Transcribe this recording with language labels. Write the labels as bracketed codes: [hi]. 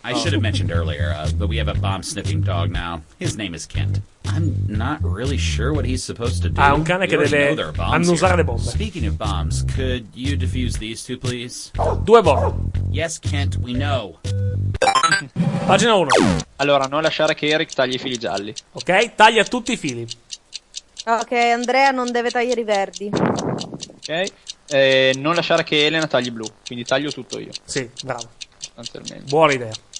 [en] I should have mentioned earlier, but we have a bomb-sniffing dog now. His name is Kent. I'm not really sure what he's supposed to do. [it] Ah, un cane che deve annusare le bombe. [en] Speaking of bombs, could you defuse these two, please? [it] Due bombe. [en] Yes, Kent, we know. [it] Pagina 1. Allora, non lasciare che Eric tagli i fili gialli. Ok, taglia tutti i fili. Ok, Andrea non deve tagliare i verdi. Ok. Non lasciare che Elena tagli blu. Quindi taglio tutto io. Sì, bravo. Buona idea.